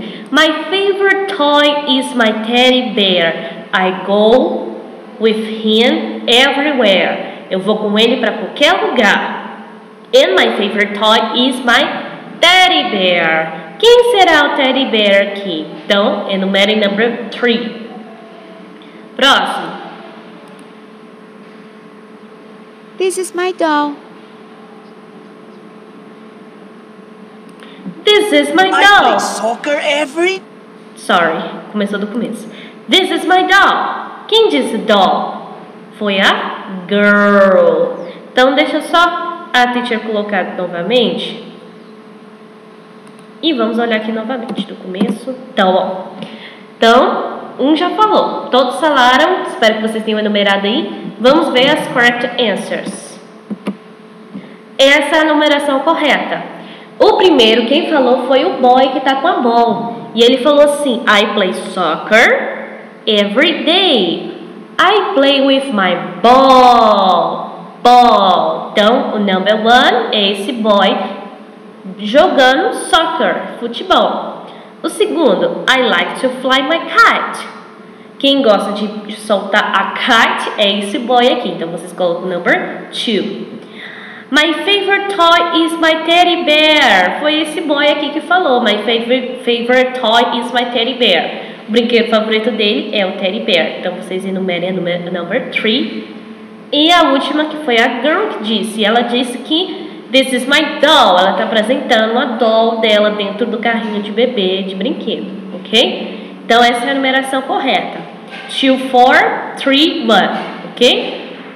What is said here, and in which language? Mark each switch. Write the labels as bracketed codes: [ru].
[en] My favorite toy is my teddy bear. I go with him everywhere. [pt] Eu vou com ele para qualquer lugar. [en] And my favorite toy is my teddy bear. [pt] Quem será o teddy bear aqui? Então, enumere number 3. Próximo. [en] This is my doll. This is my doll. I play soccer every... Sorry, [pt] começou do começo. [en] This is my doll. [pt] Quem disse doll? Foi a girl. Então, deixa só a teacher colocar novamente. E vamos olhar aqui novamente do começo. Então, ó. Então, um já falou. Todos falaram. Espero que vocês tenham enumerado aí. Vamos ver as [en] correct answers. [pt] Essa é a numeração correta. O primeiro, quem falou, foi o boy que tá com a bola. E ele falou assim, [en] I play soccer every day. I play with my ball. Ball. [pt] Então, o number one é esse boy jogando soccer, futebol. O segundo, [en] I like to fly my kite. [pt] Quem gosta de soltar a kite é esse boy aqui. Então, vocês colocam o number two. [en] My favorite toy is my teddy bear. [pt] Foi esse boy aqui que falou. [en] My favorite toy is my teddy bear. [pt] O brinquedo favorito dele é o teddy bear. Então, vocês enumerem a number 3. E a última, que foi a girl que disse. Ela disse que [en] this is my doll. [pt] Ela está apresentando a doll dela dentro do carrinho de bebê de brinquedo. Ok? Então, essa é a numeração correta. 2, 4, 3, 1. Ok?